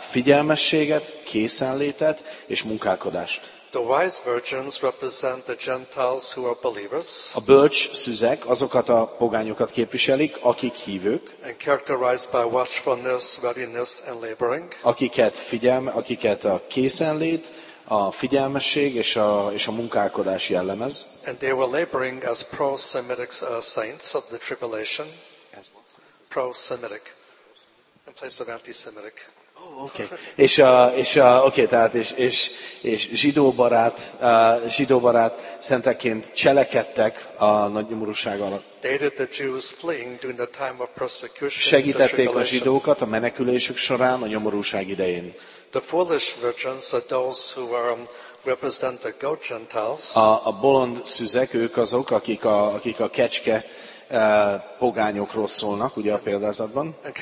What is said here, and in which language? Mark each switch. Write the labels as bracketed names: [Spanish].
[Hungarian] Figyelmességet, készenlétet és munkálkodást. [English] The wise virgins represent the Gentiles who are believers. [Hungarian] A bölcs szüzek azokat a pogányokat képviselik, akik hívők. [English] And characterized by watchfulness, readiness and laboring. [Hungarian] Akiket a készenlét, a figyelmesség és a munkálkodás jellemez. [English] And they were laboring as pro-Semitic saints of the tribulation. Pro-Semitic, in place of anti-Semitic. [Hungarian] És zsidóbarát szenteként cselekedtek a nagy nyomorúság alatt. [English] They did the Jews fleeing during the time of persecution. [Hungarian] Segítették a zsidókat a menekülésük során a nyomorúság idején. [English] The foolish virgins are those who are represent the goat Gentiles. [Hungarian] A bolond szüzek, ők azok, akik a kecske pogányokról szólnak, ugye a példázatban.